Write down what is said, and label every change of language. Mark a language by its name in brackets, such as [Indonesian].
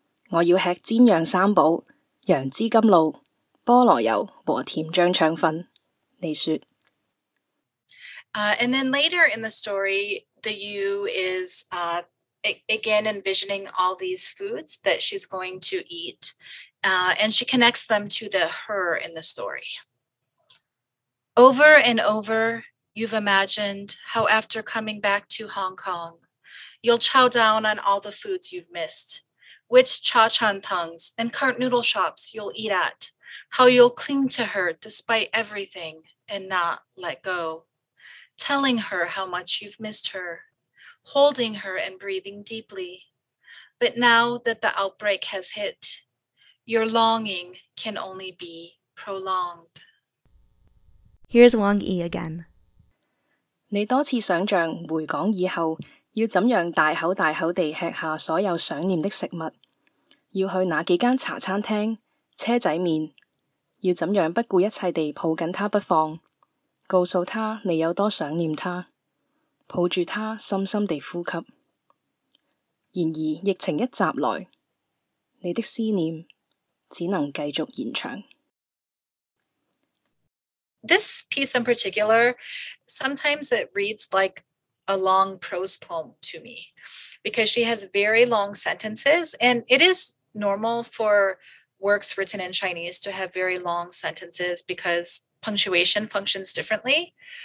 [Chinese] 我要吃煎羊三宝、羊脂甘露、菠萝油和甜酱肠粉。你说。 [English] And then later in the story, the Yu is again envisioning all these foods that she's going to eat, and she connects them to the her in the story. Over and over, you've imagined how after coming back to Hong Kong, you'll chow down on all the foods you've missed, which cha chan tongs and cart noodle shops you'll eat at, how you'll cling to her despite everything and not let go, telling her how much you've missed her, holding her and breathing deeply. But now that the outbreak has hit, your longing can only be prolonged. Here's Wang Yi again. [Chinese] 你多次想象回港以后要怎样大口大口地吃下所有想念的食物，要去哪几间茶餐厅、车仔面，要怎样不顾一切地抱紧他不放，告诉他你有多想念他，抱住他深深地呼吸。然而疫情一袭来，你的思念只能继续延长。 [English] This piece in particular, sometimes it reads like a long prose poem to me because she has very long sentences, and it is normal for works written in Chinese to have very long sentences because punctuation functions differently.